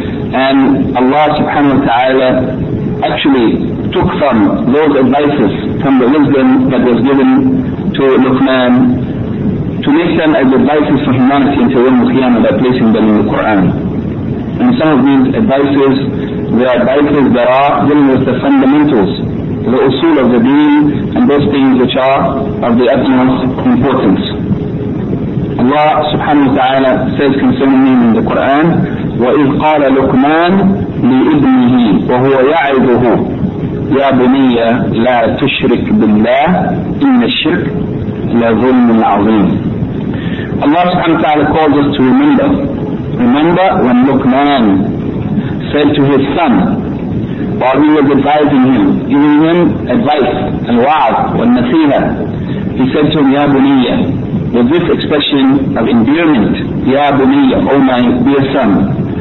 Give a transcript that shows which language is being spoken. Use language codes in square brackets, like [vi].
[en] And Allah subhanahu wa ta'ala actually took from those advices, from the wisdom that was given to Luqman, to make them as advices for humanity until the Qiyamah by placing them in the Quran. And some of these advices, they are advices that are dealing with the fundamentals, the usul of the deen, and those things which are of the utmost importance. Allah subhanahu wa ta'ala says concerning them in the Quran, [ar] وَإِذْ قَالَ لُقْمَانَ لِإِبْنِهِ وَهُوَ يَعِذُهُ يَا بُنِيَّ لَا تُشْرِكْ بِاللَّهِ إِنَّ الشِّرْكَ لَظُلْمٌ عَظِيمٌ. [en] Allah subhanahu wa ta'ala calls us to remember. Remember when Luqman said to his son, while he was advising him, giving him advice, al-wa'ad, wa'al-nasiha, he said to him, [ar] يَا بُنِيَّ, [en] with this expression of endearment, يَا بُنِيَّ, O my dear son.